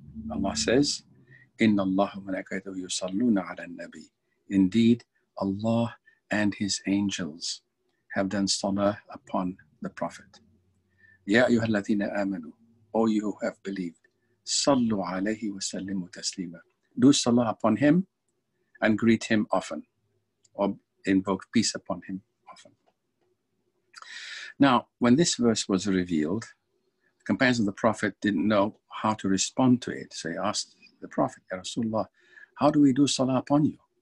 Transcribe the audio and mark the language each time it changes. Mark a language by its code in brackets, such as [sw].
[en] Allah says, [ar] إِنَّ اللَّهُ مَلَكَيْتُهُ يُصَلُّونَ عَلَى النَّبِيِّ. [en] Indeed, Allah and His angels have done salah upon the Prophet. [ar] يَا أَيُّهَا الَّذِينَ آمَنُوا, [en] O you who have believed, [ar] صَلُّوا عَلَيْهِ وَسَلِّمُوا تَسْلِيمًا. [en] Do salah upon him and greet him often, or invoke peace upon him often. Now, when this verse was revealed, the companions of the Prophet didn't know how to respond to it. So he asked the Prophet, Ya Rasulullah, how do we do salah upon you?